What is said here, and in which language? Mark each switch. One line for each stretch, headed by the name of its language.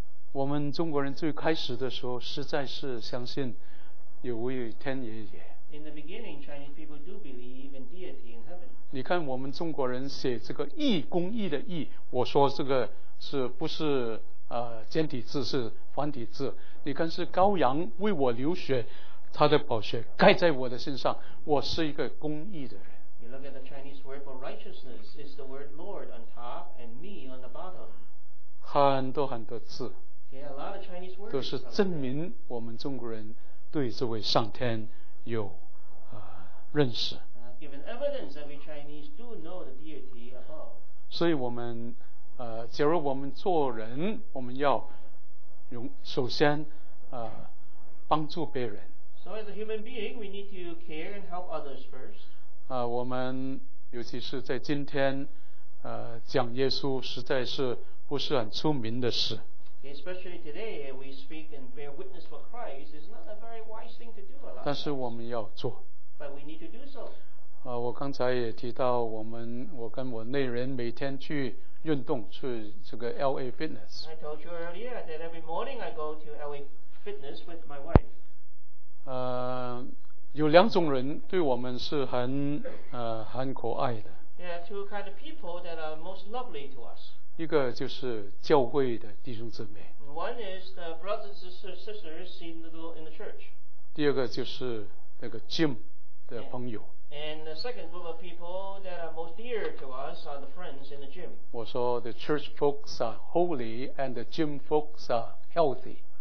Chinese: 我们中国人最开始的时候实在是相信有位天爷爷。
English: In the beginning, Chinese people do believe in deity in heaven.
Chinese: 你看我们中国人写这个义，公义的义，我说这个是不是简体字，是繁体字。你看是羔羊为我流血，他的宝血盖在我的身上，我是一个公义的人。
English: You look at the Chinese word for righteousness, it's the word Lord on top and me on the bottom.
Chinese: 很多很多字。
English: Yeah, a lot of Chinese words.
Chinese: 都是证明我们中国人对这位上天有认识。
English: Given evidence that we Chinese do know the deity above.
Chinese: 所以我们假如我们做人，我们要首先帮助别人。
English: So as a human being, we need to care and help others first.
Chinese: 我们尤其是在今天讲耶稣实在是不是很出名的事。
English: Especially today, we speak and bear witness for Christ. It's not a very wise thing to do.
Chinese: 但是我们要做。
English: But we need to do so.
Chinese: 我刚才也提到，我跟我内人每天去运动，去这个 LA Fitness.
English: I told you earlier that every morning I go to LA Fitness with my wife.
Chinese: 有两种人对我们是很可爱的。
English: There are two kind of people that are most lovely to us.
Chinese: 一个就是教会的弟兄姊妹。
English: One is the brothers and sisters in the church.
Chinese: 第二个就是那个 gym 的朋友。
English: And the second group of people that are most dear to us are the friends in the gym.
Chinese: 我说
English: the church folks are holy and the gym folks are healthy.